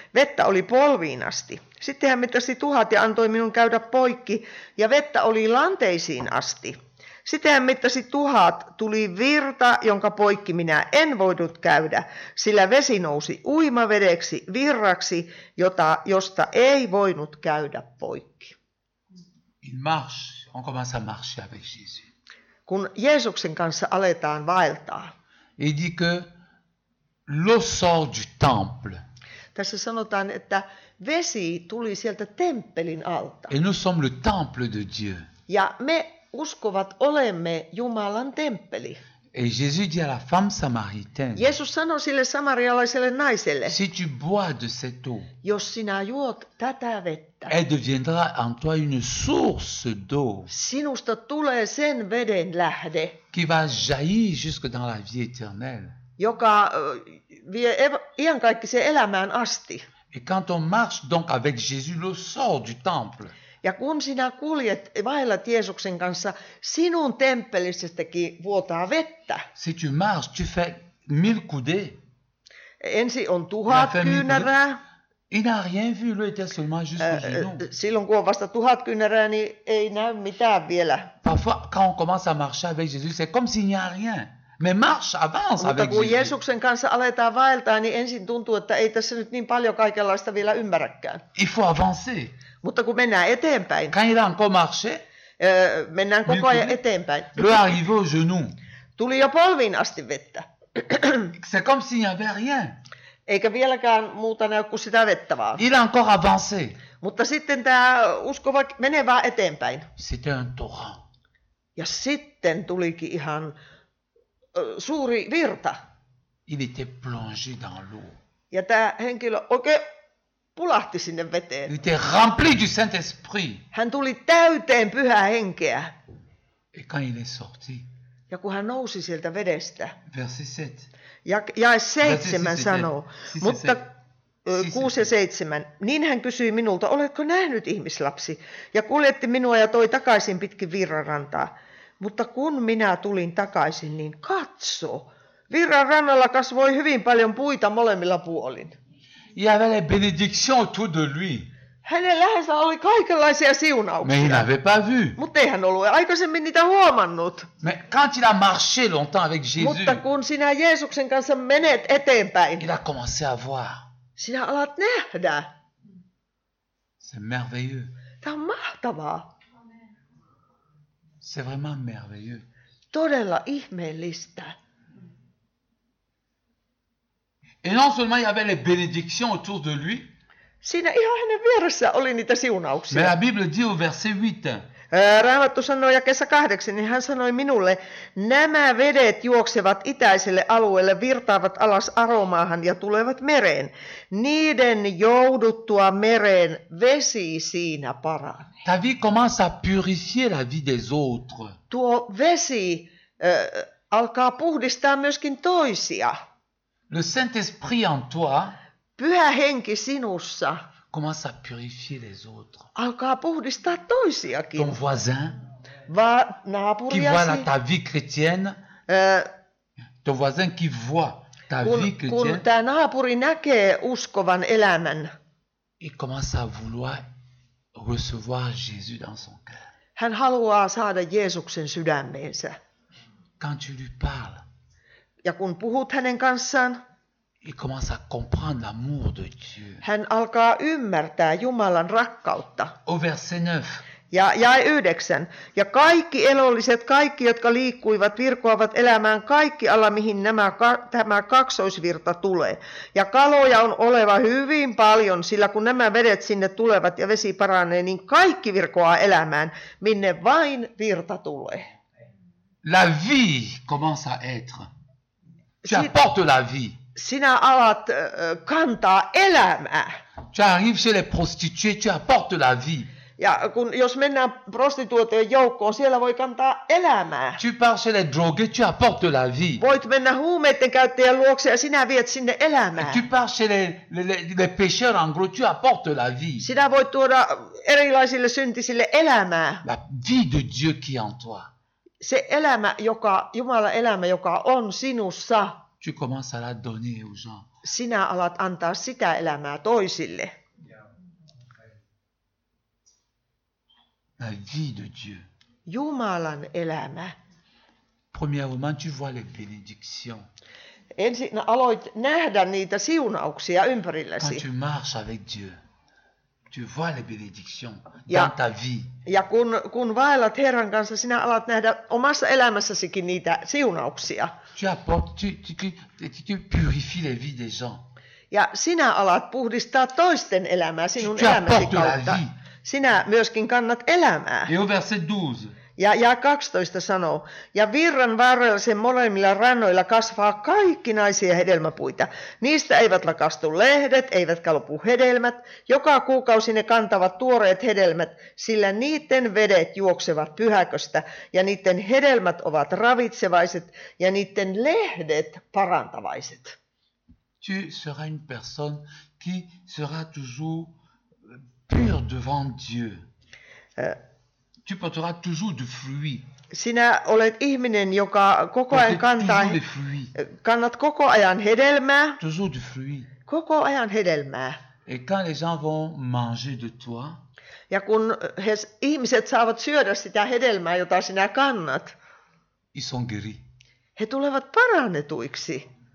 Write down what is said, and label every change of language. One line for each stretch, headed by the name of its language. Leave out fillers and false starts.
Finnish: Vettä oli polviin asti. Sitten hän mittasi 1000 ja antoi minun käydä poikki ja vettä oli lanteisiin asti. Sitten hän mittasi 1000, tuli virta, jonka poikki minä en voinut käydä, sillä vesi nousi uimavedeksi, virraksi, josta ei voinut käydä poikki.
French: Il marche, on commence à marcher avec Jésus.
Finnish: Kun Jeesuksen kanssa aletaan vaeltaa.
French: Il dit que l'eau sort du temple.
Finnish: Tässä sanotaan, että vesi tuli sieltä temppelin alta.
French: Et nous sommes le temple de Dieu.
Finnish: Ja me uskovat olemme Jumalan temppeli.
French: Et Jésus dit à la femme samaritaine.
Finnish: Jeesus sanoi sille samarialaiselle naiselle.
French: Si tu bois de cette eau.
Finnish: Jos sinä juot tätä vettä.
French: Elle deviendra en toi une source d'eau.
Finnish: Sinusta tulee sen veden lähde.
French: Qui va jaillir jusque dans la vie éternelle.
Finnish: Joka vie iankaikkiseen elämään asti.
French: Et quand on marche donc avec Jésus, l'eau sort du temple.
Finnish: Ja kun sinä kuljet vailla Jeesuksen kanssa, sinun temppelissäkin vuotaa vettä.
French: Si tu marches, tu fais mille coudées.
Finnish: Ensi on tuhat kyynärää.
French: Il n'a rien vu, lui était seulement jusqu'au genou.
Finnish: Silloin kun on vasta tuhat kyynärää, niin ei näy mitään vielä.
French: Parfois, quand on commence à marcher avec Jésus, c'est comme s'il n'y a rien. Mais marche, avance avec Jésus.
Finnish: Kun Jeesuksen kanssa aletaan vaeltaa, niin ensin tuntuu, että ei tässä nyt niin paljon kaikenlaista vielä ymmärräkään.
French: Il faut avancer.
Finnish: Mutta kun mennään eteenpäin.
French: Quand il a encore marché,
Finnish: mennään koko ajan eteenpäin.
French: Lui est arrivé au genou.
Finnish: Tuli jo polviin asti vettä.
French: C'est comme s'il n'y avait rien.
Finnish: Eikä vieläkään muuta näy kuin sitä vettä vaan.
French: Il a encore avancé.
Finnish: Mutta sitten tämä usko menee vaan eteenpäin.
French: C'était un torrent.
Finnish: Ja sitten tulikin ihan suuri virta.
French: Il était plongé dans l'eau.
Finnish: Ja tämä henkilö oikein pulahti sinne veteen.
French: Il était rempli du Saint-Esprit.
Finnish: Hän tuli täyteen pyhää henkeä.
French: Et quand il est sorti.
Finnish: Ja kun hän nousi sieltä vedestä.
French: Verset 7.
Finnish: Jae 7 sanoo, mutta 6 ja 7, niin hän kysyi minulta, oletko nähnyt ihmislapsi, ja kuljetti minua ja toi takaisin pitkin virrarantaa. Mutta kun minä tulin takaisin, niin katso, virran rannalla kasvoi hyvin paljon puita molemmilla puolin.
French: Il y avait les bénédictions autour de lui.
Finnish: Hänen lähensä oli kaikenlaisia siunauksia.
French: Mais il n'avait pas vu.
Finnish: Mutta ei hän ollut aikaisemmin niitä huomannut.
French: Mais quand il a marché longtemps avec Jésus.
Finnish: Mutta kun sinä Jeesuksen kanssa menet eteenpäin.
French: Il a commencé à voir.
Finnish: Sinä alat nähdä.
French: C'est merveilleux.
Finnish: Tämä on mahtavaa.
French: C'est vraiment merveilleux.
Finnish: Todella ihmeellistä.
French: Et non seulement il y avait les bénédictions autour de lui.
Finnish: Siinä ihan hänen vieressä oli niitä siunauksia.
French: Mais la Bible dit au verset 8.
Finnish: Raamattu sanoi jakeessa 8, niin hän sanoi minulle, nämä vedet juoksevat itäiselle alueelle, virtaavat alas Aromaahan ja tulevat mereen. Niiden jouduttua mereen vesi siinä paranee.
French: Ta vie commence à purifier la vie des autres.
Finnish: Tuo vesi alkaa puhdistaa myöskin toisia.
French: Le Saint-Esprit en toi.
Finnish: Pyhä henki sinussa.
French: Commence à purifier les autres.
Finnish: Alkaa puhdistaa toisiakin.
French: Ton voisin.
Finnish: Naapuriasi.
French: Qui voit ta vie chrétienne. Ton voisin qui voit ta vie chrétienne.
Finnish: Kun tämä naapuri näkee uskovan elämän.
French: Il commence à vouloir recevoir Jésus dans son cœur.
Finnish: Hän haluaa saada Jeesuksen sydämeensä.
French: Quand tu lui parles.
Finnish: Ja kun puhut hänen kanssaan.
French: Il commence à comprendre l'amour de Dieu.
Finnish: Hän alkaa ymmärtää Jumalan rakkautta.
French: Au verset 9.
Finnish: Ja 9. Ja kaikki elolliset, kaikki jotka liikkuivat, virkoavat elämään kaikki alla, mihin tämä kaksoisvirta tulee. Ja kaloja on oleva hyvin paljon, sillä kun nämä vedet sinne tulevat ja vesi paranee, niin kaikki virkoaa elämään, minne vain virta tulee.
French: La vie commence à être. Tu apportes la vie.
Finnish: Sinä alat kantaa elämää.
French: Tu arrives chez les prostituées, tu apportes la vie.
Finnish: Ja kun jos mennään prostituoteen joukkoon, siellä voi kantaa elämää.
French: Tu pars chez les drogués, tu apportes la vie.
Finnish: Voit mennä huumeiden käyttäjän luokse ja sinä viet sinne elämää.
French: Tu pars chez les pécheurs en gros, tu apportes la vie.
Finnish: Sinä voit tuoda erilaisille syntisille elämää.
French: La vie de Dieu qui est en toi.
Finnish: Se elämä, joka Jumalan elämä, joka on sinussa.
French: Tu commences à la donner aux gens.
Finnish: Sinä alat antaa sitä elämää toisille.
French: La vie de Dieu.
Finnish: Jumalan elämä.
French: Premièrement, tu vois les bénédictions.
Finnish: Ensin aloit nähdä niitä siunauksia ympärilläsi.
French: Quand tu marches avec Dieu, tu vois les bénédictions dans ta vie.
Finnish: Ja kun vaellat Herran kanssa, sinä alat nähdä omassa elämässäsikin niitä siunauksia.
French: Tu purifies les vies des gens.
Finnish: Ja sinä alat puhdistaa toisten elämää sinun elämäsi kautta. Sinä myöskin kannat elämää.
French: Et au verset 12.
Finnish: Ja 12 sanoo, ja virran varrella sen molemmilla rannoilla kasvaa kaikkinaisia hedelmäpuita. Niistä eivät lakastu lehdet, eivätkä lopu hedelmät. Joka kuukausi ne kantavat tuoreet hedelmät, sillä niiden vedet juoksevat pyhäköstä, ja niiden hedelmät ovat ravitsevaiset, ja niiden lehdet parantavaiset.
French: Tu seras une personne qui sera toujours pure devant Dieu. Tu porteras toujours du fruit.
Finnish: Sinä olet ihminen, joka koko ajan kantaa, kannat koko ajan hedelmää.
French: Toujours du fruit.
Finnish: Koko ajan hedelmää.
French: Et quand les gens vont manger de toi,
Finnish: ja kun he, ihmiset saavat syödä sitä hedelmää, jota sinä kannat,
French: ils sont guéris.
Finnish: He tulevat parannetuiksi.